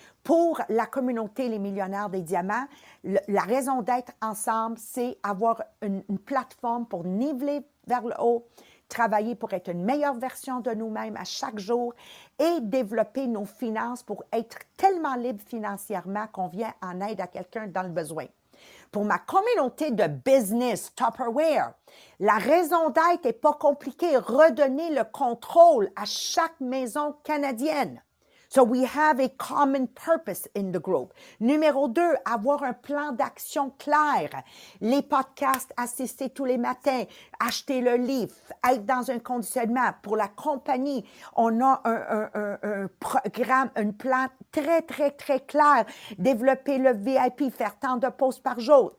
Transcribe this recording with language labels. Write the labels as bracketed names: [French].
[French] Pour la communauté Les Millionnaires des Diamants, la raison d'être ensemble, c'est avoir une plateforme pour niveler vers le haut, travailler pour être une meilleure version de nous-mêmes à chaque jour et développer nos finances pour être tellement libre financièrement qu'on vient en aide à quelqu'un dans le besoin. Pour ma communauté de business, Tupperware, la raison d'être n'est pas compliquée. Redonner le contrôle à chaque maison canadienne. [English] So we have a common purpose in the group. [French] Numéro 2, avoir un plan d'action clair. Les podcasts, assister tous les matins, acheter le livre, être dans un conditionnement. Pour la compagnie, on a un programme, un plan très, très, très clair. Développer le VIP, faire tant de posts par jour.